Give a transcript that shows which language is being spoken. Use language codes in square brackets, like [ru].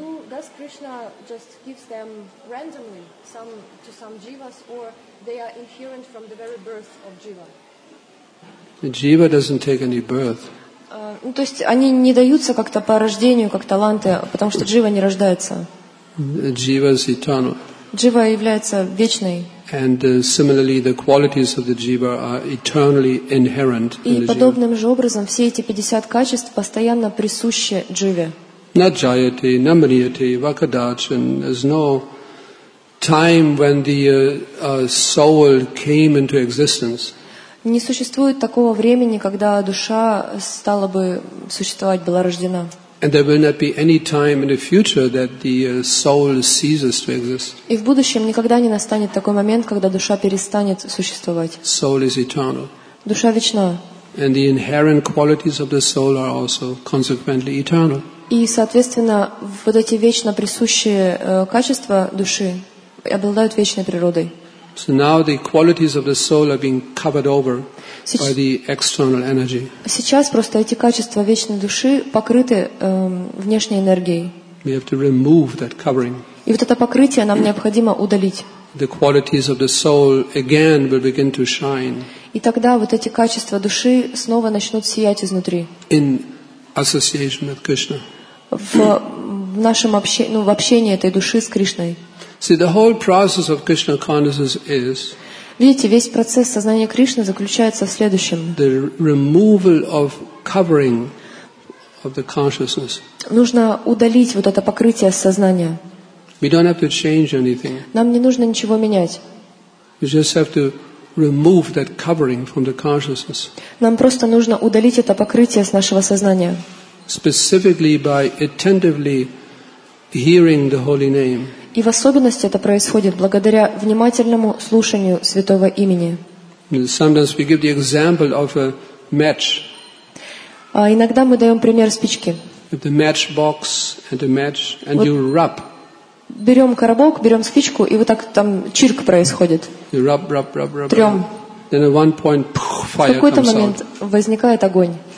[en] Does Krishna just give them randomly to some Jivas, or they are inherent from the very birth of Jiva? Jiva doesn't take any birth. [ru] Ну, то есть они не даются как-то по рождению, как таланты, потому что Джива не рождается. [en] Jiva is eternal. [ru] Джива является вечной. [en] And similarly, the qualities of the Jiva are eternally inherent. [ru] И подобным же образом все эти 50 качеств постоянно присущи Дживе. [sa] Not jayate, namriyate, vakadachan. [en] There's no time when the soul came into existence. [ru] Не существует такого времени, когда душа стала бы существовать, была рождена. [en] And there will not be any time in the future that the soul ceases to exist. [ru] И в будущем никогда не настанет такой момент, когда душа перестанет существовать. [en] Soul is eternal. [ru] Душа вечна. [en] And the inherent qualities of the soul are also consequently eternal. [ru] И, соответственно, вот эти вечно присущие качества души обладают вечной природой. [en] So now the qualities of the soul are being covered over by the external energy. [ru] Сейчас просто эти качества вечной души покрыты внешней энергией. [en] We have to remove that covering. [ru] И вот это покрытие нам необходимо удалить. [en] The qualities of the soul again will begin to shine. [ru] И тогда вот эти качества души снова начнут сиять изнутри. [en] In association with Krishna. [ru] В в нашем общении, в общении этой души с Кришной. [en] See, the whole process of Krishna consciousness is. [ru] Видите, весь процесс сознания Кришны заключается в следующем. [en] The removal of covering of the consciousness. [ru] Нужно удалить вот это покрытие сознания. [en] We don't have to change anything. [ru] Нам не нужно ничего менять. [en] We just have to remove that covering from the consciousness. [ru] Нам просто нужно удалить это покрытие с нашего сознания. [en] Specifically by attentively hearing the holy name. [ru] И в особенности это происходит благодаря внимательному слушанию святого имени. [en] Sometimes we give the example of a match. [ru] Иногда мы даем пример спички. [en] The matchbox and the match, and you rub. [ru] Берем коробок, берем спичку, и вот так там чирк происходит. [en] You rub, rub, rub, rub. [ru] Трем. [en] Then at one point, fire comes out. [ru] В какой-то момент возникает огонь.